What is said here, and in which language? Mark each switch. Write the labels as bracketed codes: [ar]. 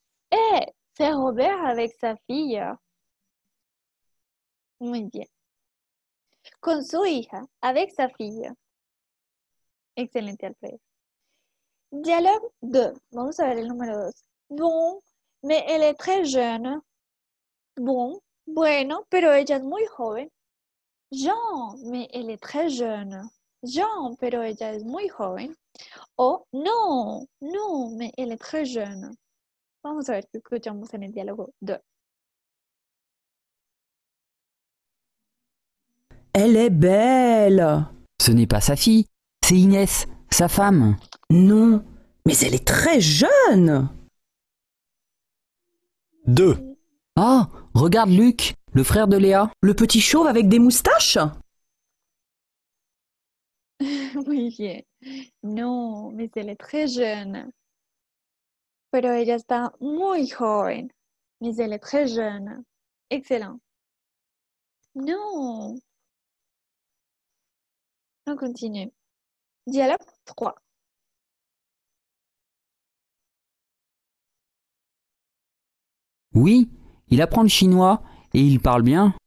[fr] Hey, c'est Robert avec sa fille. [es] Muy bien. Con su hija, [fr] avec sa fille. [es] Excelente, Alfred. [fr] Dialogue 2. [es] Vamos a ver el número 2. [fr] Bon, mais elle est très jeune. [es] Bon, bueno, pero ella es muy joven. [fr] Jean, mais elle est très jeune. [es] Jean, pero ella es muy joven. [fr] O non, non, mais elle est très jeune. [es] Vamos a ver qué escuchamos en el diálogo 2. [fr] Elle est belle. Ce n'est pas sa fille, c'est Inès, sa femme. Non, mais elle est très jeune. 2. Ah, regarde Luc, le frère de Léa. Le petit chauve avec des moustaches. Oui, non, mais elle est très jeune. [es] Pero ella está muy joven. [fr] Mais elle est très jeune. Excellent. Non. On continue. Dialogue 3. Oui, il apprend le chinois et il parle bien.